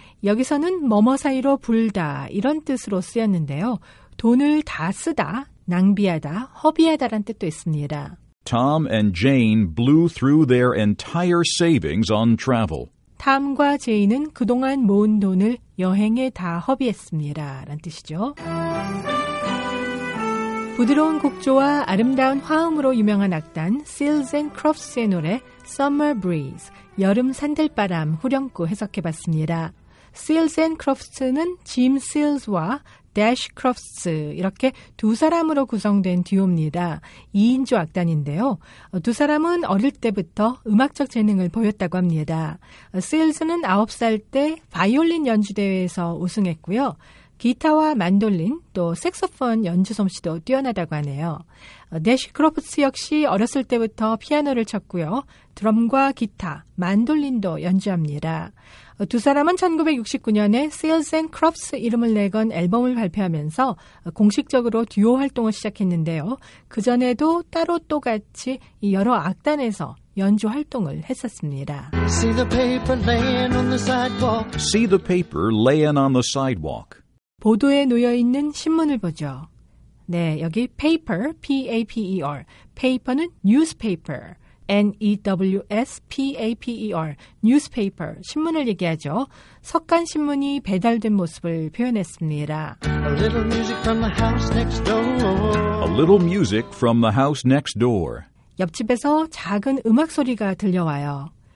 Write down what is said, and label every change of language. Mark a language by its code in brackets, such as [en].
[ko] 여기서는 뭐뭐 사이로 불다 이런 뜻으로 쓰였는데요. 돈을 다 쓰다, 낭비하다, 허비하다란 뜻도 있습니다. [en] Tom and Jane blew through their entire savings on travel. [ko] Tom과 Jane은 그동안 모은 돈을 여행에 다 허비했습니다. 라는 뜻이죠. 부드러운 곡조와 아름다운 화음으로 유명한 악단 Seals and Crofts의 노래 Summer Breeze, 여름 산들바람 후렴구 해석해봤습니다. Seals and Crofts는 Jim Seals와 Dash Crofts 이렇게 두 사람으로 구성된 듀오입니다. 2인조 악단인데요. 두 사람은 어릴 때부터 음악적 재능을 보였다고 합니다. Seals는 9살 때 바이올린 연주대회에서 우승했고요. 기타와 만돌린 또 색소폰 연주 솜씨도 뛰어나다고 하네요. Dash Crofts 역시 어렸을 때부터 피아노를 쳤고요. 드럼과 기타, 만돌린도 연주합니다. 두 사람은 1969년에 Seals and Crofts 이름을 내건 앨범을 발표하면서 공식적으로 듀오 활동을 시작했는데요. 그전에도 따로 또 같이 여러 악단에서 연주 활동을 했었습니다. [en] See the paper laying on the sidewalk. See the paper laying on the sidewalk. [ko] 보도에 놓여있는 신문을 보죠. 네, 여기 paper, P-A-P-E-R. paper는 newspaper. newspaper, 뉴스페이퍼, 신문을 얘기하죠. 석간 신문이 배달된 모습을 표현했습니다. [en] A little music from the house next door. A little music from the house next door. [ko] 옆집에서 작은 음악 소리가 들려와요.